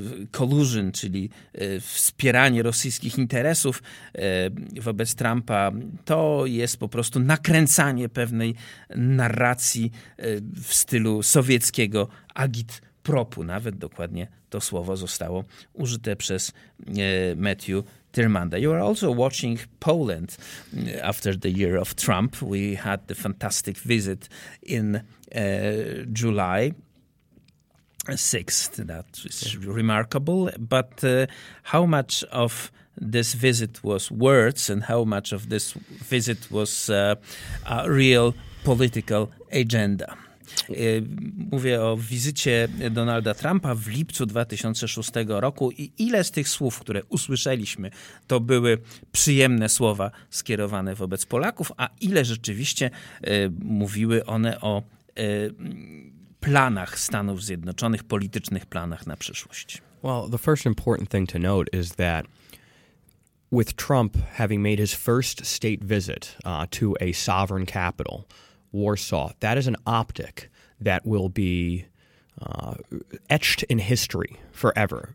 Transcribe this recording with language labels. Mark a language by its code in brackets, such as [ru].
[pl] collusion, czyli wspieranie rosyjskich interesów wobec Trumpa, to jest po prostu nakręcanie pewnej narracji w stylu sowieckiego agitpropu. Nawet dokładnie to słowo zostało użyte przez Matthew Tiermanda. [en] You are also watching Poland after the year of Trump. We had the fantastic visit in July 6th. That is remarkable. But how much of this visit was words and how much of this visit was a real political agenda? [pl] Mówię o wizycie Donalda Trumpa w lipcu 2006 roku i ile z tych słów, które usłyszeliśmy, to były przyjemne słowa skierowane wobec Polaków, a ile rzeczywiście mówiły one o planach Stanów Zjednoczonych, politycznych planach na przyszłość. [en] Well, the first important thing to note is that with Trump having made his first state visit to a sovereign capital, Warsaw, that is an optic that will be etched in history forever.